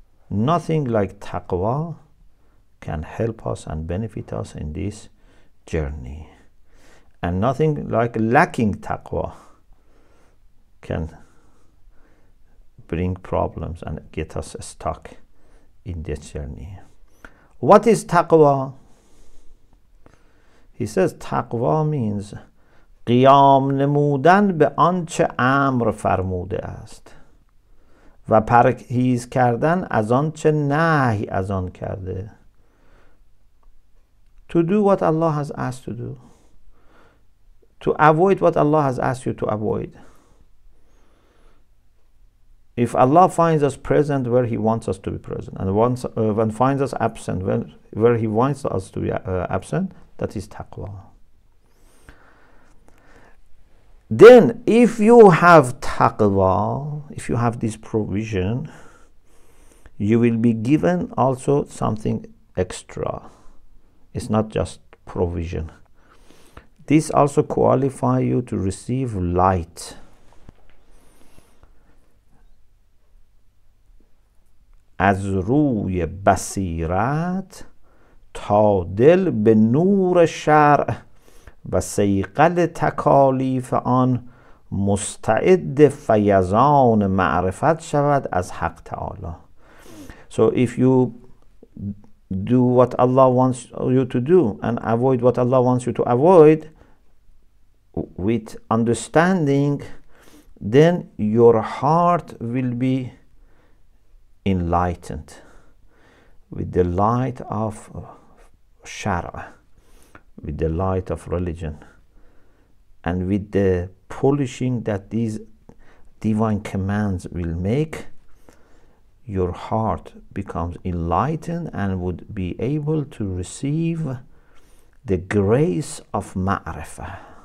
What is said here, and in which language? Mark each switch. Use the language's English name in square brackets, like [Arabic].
[English] Nothing like taqwa can help us and benefit us in this journey. And nothing like lacking taqwa can bring problems and get us stuck in this journey. What is taqwa? He says taqwa means [Persian] قیام نمودن به آنچه امر فرموده است و پرهیز کردن از آنچه نهی از آن کرده. [English] To do what Allah has asked to do. To avoid what Allah has asked you to avoid. If Allah finds us present where He wants us to be present and when finds us absent where He wants us to be absent, that is taqwa. Then if you have taqwa, if you have this provision, you will be given also something extra. It's not just provision. This also qualifies you to receive light. [Persian] از روی بصیرت تا دل به نور شرع و سیقل تکالیف آن مستعد فیضان معرفت شود از حق تعالی. [English] So if you do what Allah wants you to do and avoid what Allah wants you to avoid with understanding, then your heart will be enlightened with the light of shara, with the light of religion, and with the polishing that these divine commands will make, your heart becomes enlightened and would be able to receive the grace of ma'rifah.